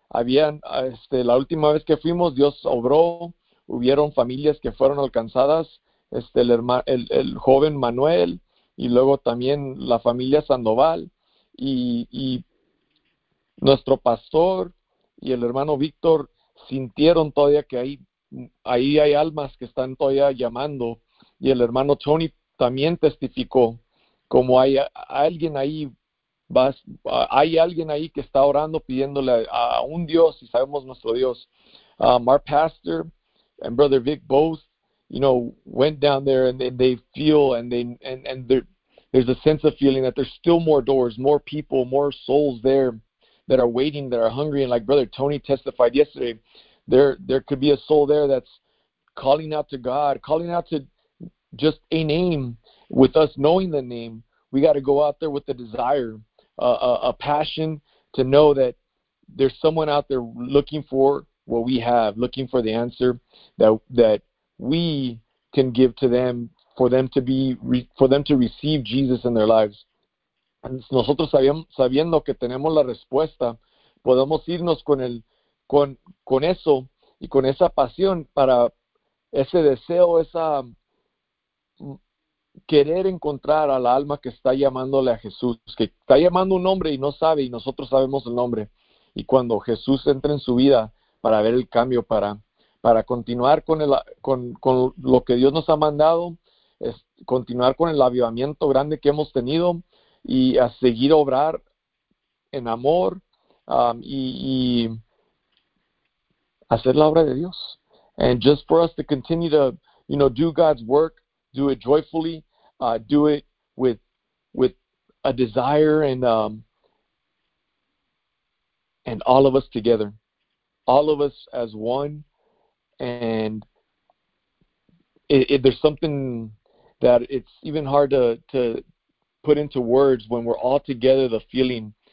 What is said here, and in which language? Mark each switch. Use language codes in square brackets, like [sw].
[es] Habían, la última vez que fuimos, Dios obró. Hubieron familias que fueron alcanzadas. El joven Manuel, y luego también la familia Sandoval. Y nuestro pastor y el hermano Víctor sintieron todavía que ahí hay almas que están todavía llamando. Y el hermano Tony también testificó como hay alguien ahí, hay alguien ahí que está orando pidiéndole a un Dios, y sabemos nuestro Dios. [en] Our pastor and brother Vic both, you know, went down there and they feel and they're there's a sense of feeling that there's still more doors, more people, more souls there that are waiting, that are hungry. And like Brother Tony testified yesterday, there could be a soul there that's calling out to God, calling out to just a name. With us knowing the name, we got to go out there with a desire, a passion to know that there's someone out there looking for what we have, looking for the answer that we can give to them, for them to receive Jesus in their lives. [es] Nosotros sabiendo que tenemos la respuesta, podemos irnos con eso y con esa pasión para ese deseo, esa querer encontrar a la alma que está llamándole a Jesús, que está llamando un nombre y no sabe, y nosotros sabemos el nombre. Y cuando Jesús entra en su vida para ver el cambio, para continuar con lo que Dios nos ha mandado, es continuar con el avivamiento grande que hemos tenido y a seguir obrar en amor y hacer la obra de Dios. [en] And just for us to continue to, you know, do God's work, do it joyfully, do it with a desire and all of us together, all of us as one. And there's something that it's even hard to put into words when we're all together, the feeling.